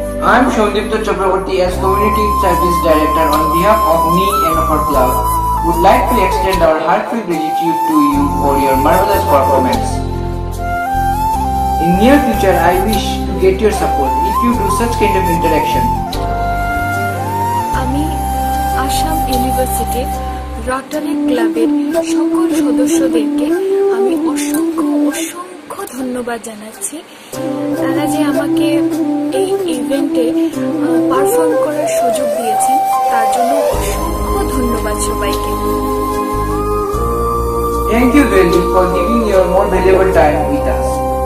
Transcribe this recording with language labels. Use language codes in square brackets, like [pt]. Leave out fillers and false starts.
[en] I am Sandipta Chakraborty as community service director on behalf of me and of our club would like to extend our heartfelt gratitude to you for your marvellous performance. In near future, I wish to get your support if you do such kind of interaction. [bn] আমি Assam university Rotary ক্লাবের সকল সদস্যদেরকে আমি অসংখ্য অসংখ্য ধন্যবাদ জানাচ্ছি, তারা যে আমাকে এই ইভেন্টে পারফর্ম করার সুযোগ দিয়েছেন তার জন্য অসংখ্য ধন্যবাদ সবাইকে। [en] Thank you, Belly, for giving your more valuable time with us.